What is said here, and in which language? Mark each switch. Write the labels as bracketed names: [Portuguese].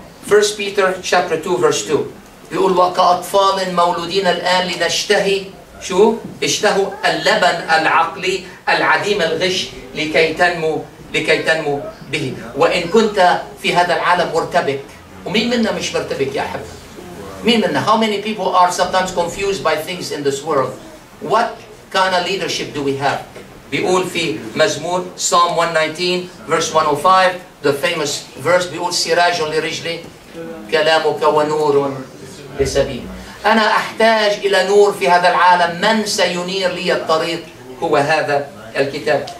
[Arabic] 1 Peter 2:2 يقول وكأطفال مولودين الآن لنشتهي، شو اشتهوا؟ اللبن العقلي العديم الغش، لكي تنمو به. وإن كنت في هذا العالم مرتبك، ومين منا مش مرتبك يا أحب؟ مين منا؟ [English] How many people are sometimes confused by things in this world? What kind of leadership do we have? [Arabic] بيقول في مزمور [English] Psalm 119:105، the famous verse، [Arabic] بيقول سراج لرجلي كلامك ونور بسبيل. أنا أحتاج إلى نور في هذا العالم، من سينير لي الطريق؟ هو هذا الكتاب.